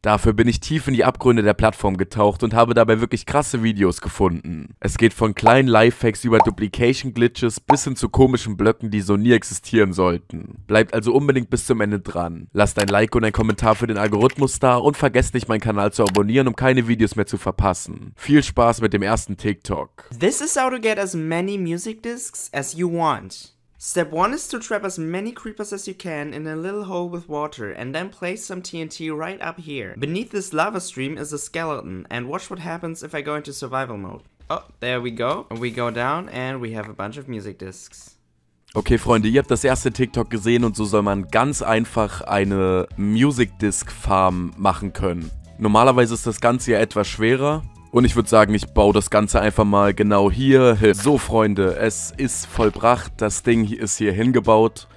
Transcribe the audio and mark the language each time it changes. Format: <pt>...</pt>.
<de>Dafür bin ich tief in die Abgründe der Plattform getaucht und habe dabei wirklich krasse Videos gefunden. Es geht von kleinen Lifehacks über Duplication-Glitches bis hin zu komischen Blöcken, die so nie existieren sollten. Bleibt also unbedingt bis zum Ende dran. Lasst ein Like und ein Kommentar für den Algorithmus da und vergesst nicht, meinen Kanal zu abonnieren, um keine Videos mehr zu verpassen. Viel Spaß mit dem ersten TikTok.</de> <en>This is how to get as many music discs as you want. Step 1 is to trap as many creepers as you can in a little hole with water and then place some TNT right up here. Beneath this lava stream is a skeleton and watch what happens if I go into survival mode. Oh, there we go. We go down and we have a bunch of music discs.</en> <de>Okay, Freunde, ihr habt das erste TikTok gesehen und so soll man ganz einfach eine Music Disc Farm machen können. Normalerweise ist das Ganze ja etwas schwerer. Und ich würde sagen, ich baue das Ganze einfach mal genau hier hin. So, Freunde, es ist vollbracht. Das Ding ist hier hingebaut.</de>